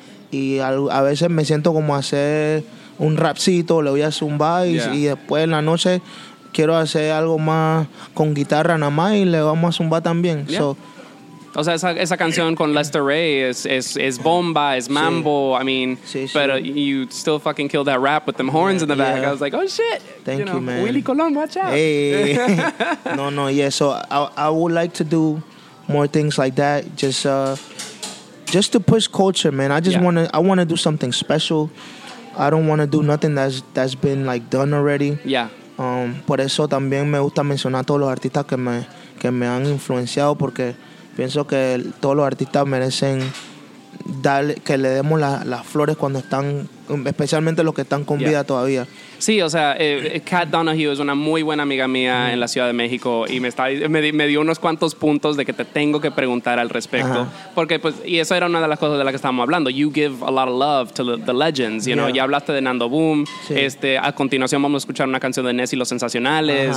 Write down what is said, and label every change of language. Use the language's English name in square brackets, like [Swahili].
[Spanish] Y a veces me siento como hacer un rapcito, le voy a zumbar y después en la noche quiero hacer algo más con guitarra nada más y le vamos a zumbar también. Yeah. So, o sea, esa canción con Lester Ray es bomba, es mambo. Sí. [English] I mean, [Spanish] sí, [English] but you still fucking killed that rap with them horns in the back. Yeah. I was like, oh shit. Thank you, man. Willy Colón, watch out. Hey. No, yeah. So I would like to do more things like that. Just to push culture, man. I want to do something special. I don't want to do nothing that's been like done already. Yeah. [Spanish] Por eso también me gusta mencionar a todos los artistas que me han influenciado, porque pienso que todos los artistas merecen que le demos las flores cuando están, especialmente los que están con vida todavía. Sí, o sea, Kat Donahue es una muy buena amiga mía en la Ciudad de México y me dio unos cuantos puntos de que te tengo que preguntar al respecto. Ajá. Porque pues, y eso era una de las cosas de las que estábamos hablando. [English] You give a lot of love to the legends, you know. [Spanish] Ya hablaste de Nando Boom. Sí. A continuación vamos a escuchar una canción de Ness y Los Sensacionales.